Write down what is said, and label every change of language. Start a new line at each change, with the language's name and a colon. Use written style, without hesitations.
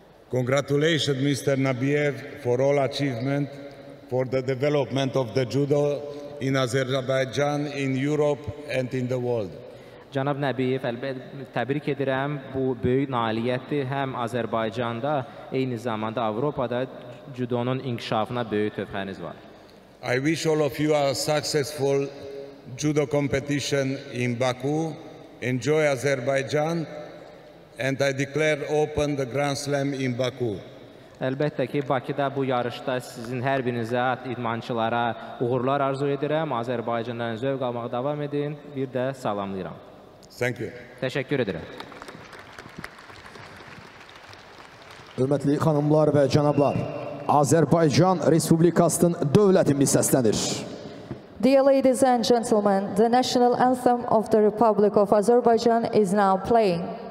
English: Congratulations, Mr. Nabiev, for all achievement, for the development of the judo in Azerbaijan, in Europe, and in the world.
Azerbaijani: Cənab Nabiev, təbrik edirəm. Bu böyük nailiyyətdir. Həm Azərbaycanda, eyni zamanda Avropada judonun inkişafına böyük töhfəniz var.
English: I wish all of you a successful judo competition in Baku. Enjoy Azerbaijan. And I declare open the Grand Slam in Baku.
Azerbaijani: Əlbəttə ki, Bakıda bu yarışda sizin hər birinizə, idmançılara uğurlar arzu edirəm. Azərbaycandan zövq almağa davam edin. Bir də salamlayıram.
English: Thank you.
Azerbaijani: Təşəkkür edirəm. Hörmətli xanımlar və cənablar, Azərbaycan Respublikasının dövlətini səslənir.
English: Dear ladies and gentlemen, the national anthem of the Republic of Azerbaijan is now playing.